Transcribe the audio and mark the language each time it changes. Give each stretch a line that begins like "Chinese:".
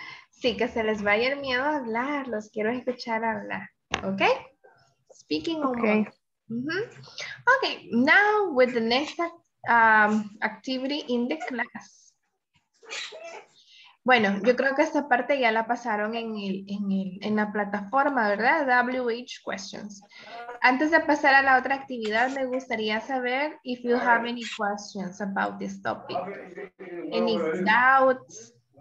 Spanish: Sí, que se les vaya el miedo a hablar. Los quiero escuchar hablar. ¿Ok?
English: Speaking on Monday.
Spanish: Mm-hmm.
English: Okay, now with the next activity in the class.
Spanish: Bueno, yo creo que esta parte ya la pasaron en la plataforma, ¿verdad? WH questions. Antes de pasar a la otra actividad, me gustaría saber
English: if you have any questions about this topic. Any doubts?